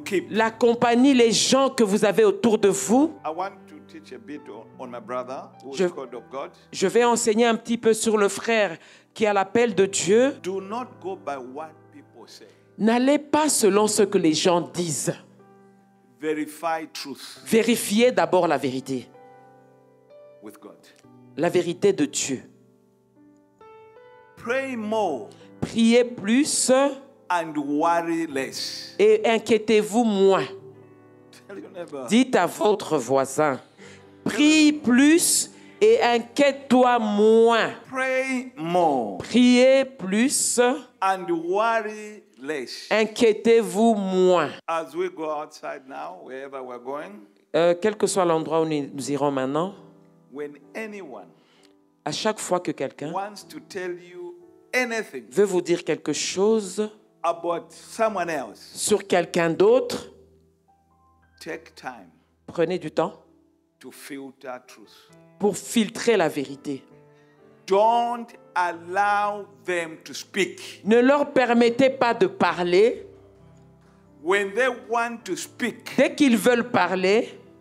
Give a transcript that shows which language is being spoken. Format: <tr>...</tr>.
<fr>La compagnie, les gens que vous avez autour de vous.</fr> <en>teach a bit on my brother who is called of God.</en> <fr>Je vais enseigner un petit peu sur le frère qui a l'appel de Dieu.</fr> <en>Do not go by what people say.</en> <fr>N'allez pas selon ce que les gens disent.</fr> <en>Verify truth.</en> <fr>Vérifiez d'abord la vérité.</fr> <en>With God.</en> <fr>La vérité de Dieu.</fr> <en>Pray more.</en> <fr>Priez plus.</fr> <en>And worry less.</en> <fr>Et inquiétez-vous moins. Dites à votre voisin, prie plus et inquiète-toi moins.</fr> <en>Pray more.</en> <fr>Priez plus.</fr> <en>And worry less.</en> <fr>Inquiétez-vous moins.</fr> <en>As we go outside now, wherever we're going.</en> <fr>Quel que soit l'endroit où nous irons maintenant.</fr> <en>When anyone.</en> <fr>À chaque fois que quelqu'un.</fr> <en>Wants to tell you anything.</en> <fr>Veut vous dire quelque chose.</fr> <en>About someone else.</en> <fr>Sur quelqu'un d'autre.</fr> <en>Take time.</en> <fr>Prenez du temps.</fr> <en>To filter truth.</en> <fr>Pour filtrer la vérité.</fr> <en>Don't allow them to speak.</en> <fr>Ne leur permettez pas de parler.</fr> <en>When they want to speak.</en> <fr>Dès qu'ils veulent parler.</fr>